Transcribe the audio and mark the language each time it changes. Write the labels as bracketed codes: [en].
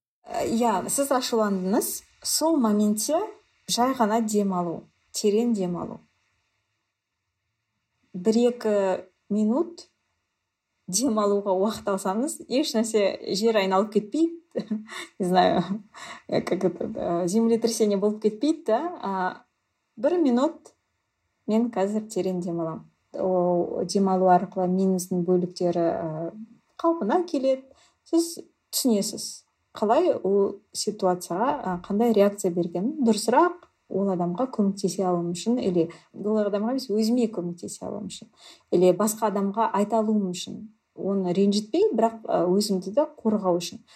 [kk] Сіз ашуландыңыз. Сол моментте жай ғана демалу, терең демалу. 1-2 минут демалуға уақыт алсаңыз, еш нәрсе жер айналып кетпейді. [ru] Не знаю, как это, землетрясение [kk] болып кетпейді, да? 1 минут мен қазір терең демаламын. Демалу арқылы миыңыздың бөліктері қалпына келеді. Сіз түсінесіз, қалай ол ситуацияға қандай реакция берген. Дұрысырақ, ол адамға көмектесе алуым үшін, или ол адамға емес, өзіме көмектесе алуым үшін, или басқа адамға айта алуым үшін, оны ренжітпей, бірақ өзімді де қорғау үшін.